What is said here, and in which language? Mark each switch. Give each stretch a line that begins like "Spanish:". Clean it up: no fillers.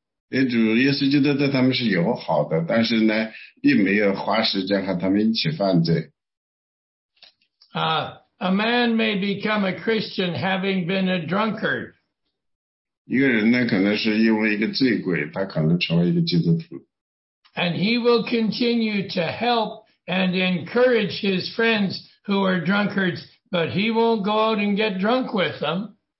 Chinese: 主耶稣基督对他们是友好的，但是呢，并没有花时间和他们一起犯罪。
English: A man may become a Christian having been a drunkard.
Chinese: 一个人呢，可能是因为一个醉鬼，他可能成为一个基督徒。
English: And he will continue to help and encourage his friends who are drunkards, but he won't go out and get drunk with them.